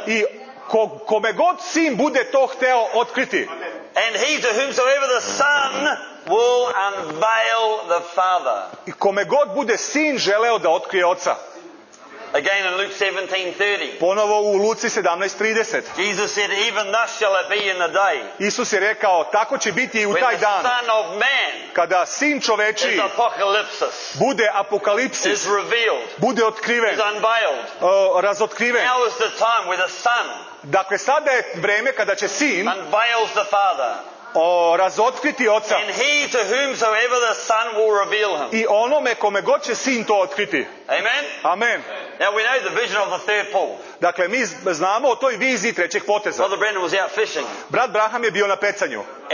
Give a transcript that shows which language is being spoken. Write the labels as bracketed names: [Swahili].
[Serbian] I kome god sin bude to hteo otkriti. [English] And he to whomsoever the Son will unveil the Father. [Serbian] I kome god bude sin želeo da otkrije oca. [English] Again in Luke 17:30. [Serbian] Ponovo u Luci 17:30. [English] Jesus said, "Even thus shall it be in the day." [Serbian] Isus je rekao, tako će biti i u taj dan. [English] When the Son of Man, [Serbian] kada sin čovečiji, [English] is apocalypsis, [Serbian] bude apokalipsis, [English] is revealed, [Serbian] bude otkriven, [English] is unveiled, [Serbian] razotkriven. [English] Now is the time where the Son, [Serbian] dakle sada je vreme kada će sin, [English] unveils the Father. [Serbian] Razotkriti oca. [English] And he to whomsoever the Son will reveal him. [Serbian] I onome kome god će sin to otkriti. [English] Amen. [Serbian] Amen. [English] Now we know the vision of the third pole. [Serbian] Dakle, mi znamo o toj viziji trećeg poteza. [English] Brother Brandon was out fishing. [Serbian] Brat Braham je bio na pecanju.